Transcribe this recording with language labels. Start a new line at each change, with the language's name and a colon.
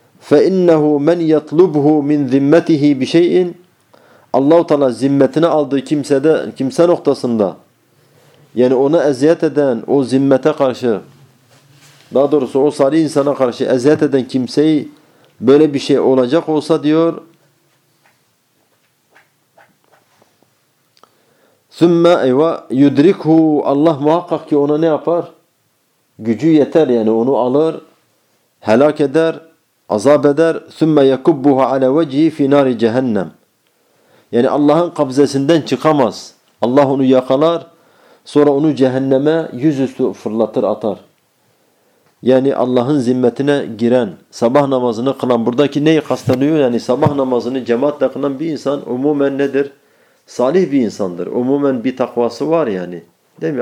Arabic: فَاِنَّهُ مَنْ يَطْلُبْهُ مِنْ ذِمَّتِهِ بِشَيْءٍ
Turkish: Allah-u Teala zimmetine aldığı kimsede, kimse noktasında yani ona eziyet eden, o zimmete karşı, daha doğrusu o salih insana karşı eziyet eden kimseyi böyle bir şey olacak olsa diyor.
Arabic: ثُمَّ اَيْوَا يُدْرِكْهُ
Turkish: Allah muhakkak ki ona ne yapar? Gücü yeter yani onu alır, helak eder, azap eder.
Arabic: ثُمَّ يَكُبُّهَ عَلَى وَجِهِ فِي نَارِ جَهَنَّمْ
Turkish: Yani Allah'ın kabzesinden çıkamaz. Allah onu yakalar. Sonra onu cehenneme yüzüstü fırlatır, atar. Yani Allah'ın zimmetine giren, sabah namazını kılan, buradaki neyi kastanıyor? Yani sabah namazını cemaatle kılan bir insan umumen nedir? Salih bir insandır. Umumen bir takvası var yani. Değil mi?